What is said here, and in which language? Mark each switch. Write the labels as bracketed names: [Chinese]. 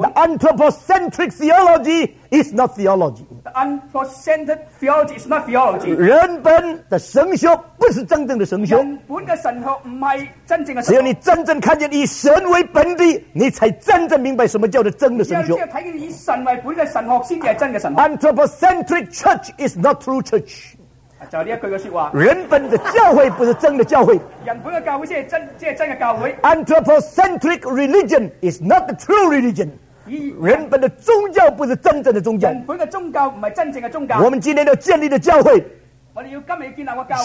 [English] The anthropocentric theology is not theology. The anthropocentric theology is not theology. [Chinese] 人本的神学不是真正的神学，人本的神学不是真正的神学。只有你真正看见以神为本的，你才真正明白什么叫做真的神学。只有看见以神为本的神学，才是真的神学。 [English] Anthropocentric church is not true church. [Chinese] 就人本的教会不是真的教会，人本的教会才是真的教会。 [English] Anthropocentric religion is not the true religion。 [Chinese] 人本的宗教不是真正的宗教，人本的宗教不是真正的宗教。我们今天要建立的教会，我们要今天建立的教会